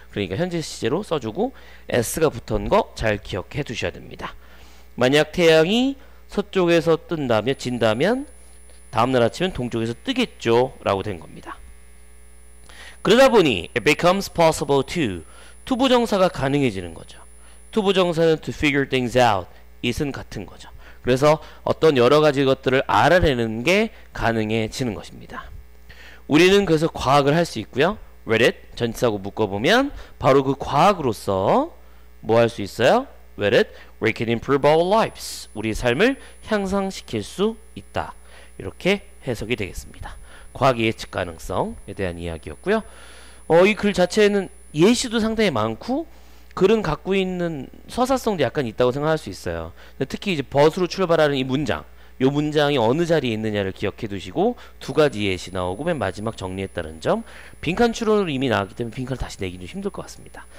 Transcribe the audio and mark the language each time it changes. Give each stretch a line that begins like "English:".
Korean: 그러니까 현재 시제로 써주고 S가 붙은 거 잘 기억해 두셔야 됩니다. 만약 태양이 서쪽에서 뜬다면, 진다면 다음날 아침은 동쪽에서 뜨겠죠 라고 된 겁니다. 그러다 보니
English: It becomes possible to
Korean: 투부정사가 가능해지는 거죠. 투부정사는
English: to figure things out,
Korean: it은 같은 거죠. 그래서 어떤 여러 가지 것들을 알아내는 게 가능해지는 것입니다. 우리는 그래서 과학을 할 수 있고요.
English: Read it,
Korean: 전치사하고 묶어보면 바로 그 과학으로서 뭐 할 수 있어요?
English: Read it, we can improve our lives.
Korean: 우리 삶을 향상시킬 수 있다. 이렇게 해석이 되겠습니다. 과학 예측 가능성에 대한 이야기였고요. 이 글 자체에는 예시도 상당히 많고 글은 갖고 있는 서사성도 약간 있다고 생각할 수 있어요. 특히 이제 벗으로 출발하는 이 문장, 이 문장이 어느 자리에 있느냐를 기억해 두시고 두 가지 예시 나오고 맨 마지막 정리했다는 점, 빈칸 추론으로 이미 나왔기 때문에 빈칸을 다시 내기 좀 힘들 것 같습니다.